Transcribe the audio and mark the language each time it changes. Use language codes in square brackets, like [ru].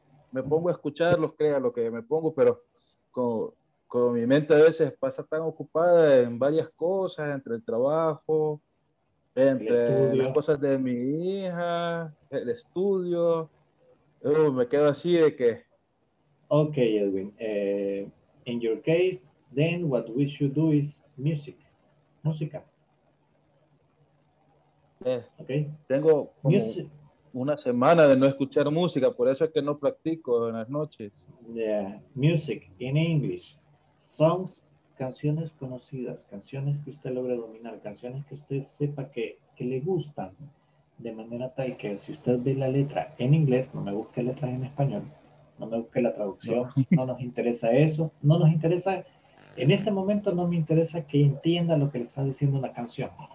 [es] Me pongo a escucharlos, crea lo que me pongo, pero con mi mente a veces pasa tan ocupada en varias cosas, entre el trabajo, entre las cosas de mi hija, el estudio. Me quedo así de que... [en] Ok, Edwin. In your case, then what we should do is music. [es] Música. [en] Okay. [es] Tengo como una semana de no escuchar música, por eso es que no practico en las noches. [en] Yeah, music in English. [es] Songs, canciones conocidas, canciones que usted logre dominar, canciones que usted sepa que le gustan, de manera tal que si usted ve la letra en inglés, no me busque letras en español, no me busque la traducción, no nos interesa eso, no nos interesa, en este momento no me interesa que entienda lo que le está diciendo la canción.